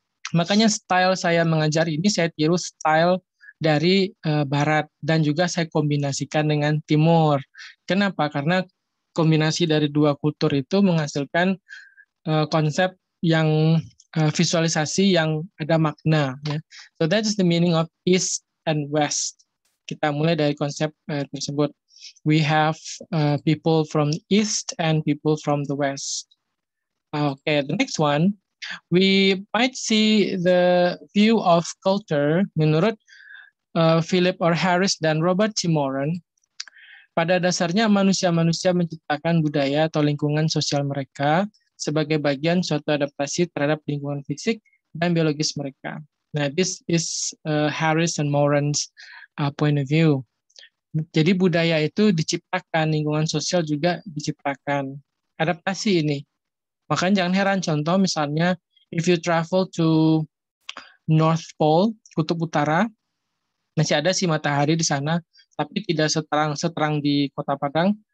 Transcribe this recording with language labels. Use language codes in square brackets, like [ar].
[id] Makanya style saya mengajar ini, saya tiru style dari Barat, dan juga saya kombinasikan dengan Timur. Kenapa? Karena kombinasi dari dua kultur itu menghasilkan konsep yang visualisasi yang ada makna. Ya. [en] So that is the meaning of East and West. [id] Kita mulai dari konsep tersebut. [en] We have people from the East and people from the West. Okay, the next one. We might see the view of culture menurut Philip R. [id] Harris dan Robert T. Moran, pada dasarnya manusia-manusia menciptakan budaya atau lingkungan sosial mereka sebagai bagian suatu adaptasi terhadap lingkungan fisik dan biologis mereka. [en] Nah, this is Harris and Moran's point of view. [id] Jadi budaya itu diciptakan, lingkungan sosial juga diciptakan. Adaptasi ini. Makanya jangan heran, contoh misalnya, [en] if you travel to North Pole, [id] Kutub Utara, masih ada sih matahari di sana, tapi tidak seterang-seterang di Kota Padang.